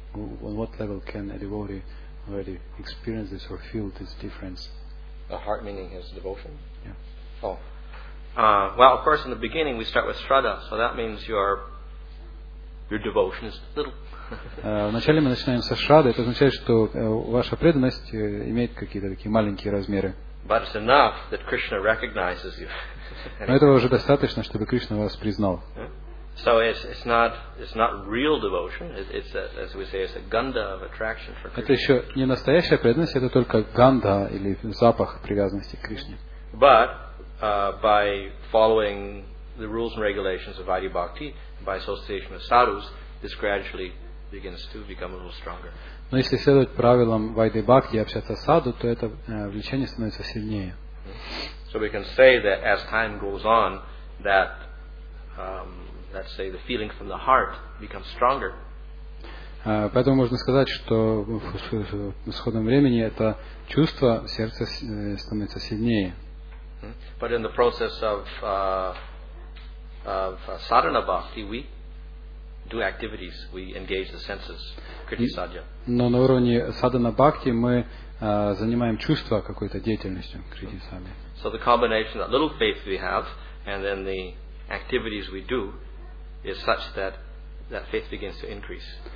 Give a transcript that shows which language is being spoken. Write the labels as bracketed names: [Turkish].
[English] On what level can a devotee already experience this or feel this difference? The heart meaning his devotion? Yeah. Oh. Well, of course, in the beginning we start with Shraddha, so that means your devotion is little. [Russian] Вначале мы начинаем со Шрадды, это означает, что ваша преданность имеет какие-то такие маленькие размеры. [English] But it's enough that Krishna recognizes you. [Russian] Но этого уже достаточно, чтобы Кришна вас признал. [English] So it's not real devotion. It's a ganda of attraction for Krishna. [Russian] Это еще не настоящая преданность, это только ганда или запах привязанности к Кришне. [English] But by following the rules and regulations of Vaidhi Bhakti, by association with sadhus, this gradually begins to become a little stronger. [Russian] Но если следовать правилам Вайды Бхакти и общаться с саду, то это влечение становится сильнее. [English] So we can say that as time goes on, that let's say the feeling from the heart becomes stronger. [Russian] Поэтому можно сказать, что с ходом времени это чувство в сердце становится сильнее. [English] But in the process of sadhana bhakti, we do activities, we engage the senses, kriti sadhya. [Russian] Но на уровне садхана бхакти мы занимаем чувства какой-то деятельностью, кriti sadhya. [English] So the combination of that little faith we have and then the activities we do is such that that faith begins to increase.